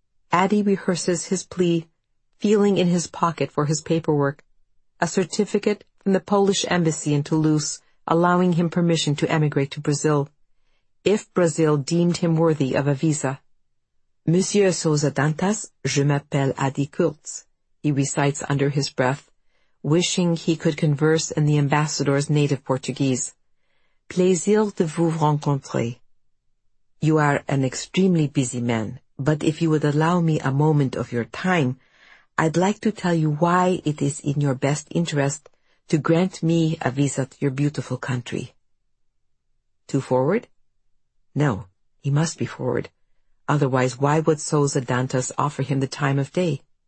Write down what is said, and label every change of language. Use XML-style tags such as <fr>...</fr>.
<en>Addy rehearses his plea, feeling in his pocket for his paperwork, a certificate from the Polish embassy in Toulouse allowing him permission to emigrate to Brazil, if Brazil deemed him worthy of a visa.</en> <fr>"Monsieur Souza Dantas, je m'appelle Addy Kurtz,"</fr> <en>he recites under his breath, wishing he could converse in the ambassador's native Portuguese.</en> <fr>"Plaisir de vous rencontrer.</fr> <en>You are an extremely busy man, but if you would allow me a moment of your time, I'd like to tell you why it is in your best interest to grant me a visa to your beautiful country." Too forward? No, he must be forward. Otherwise, why would Souza Dantas offer him the time of day?</en>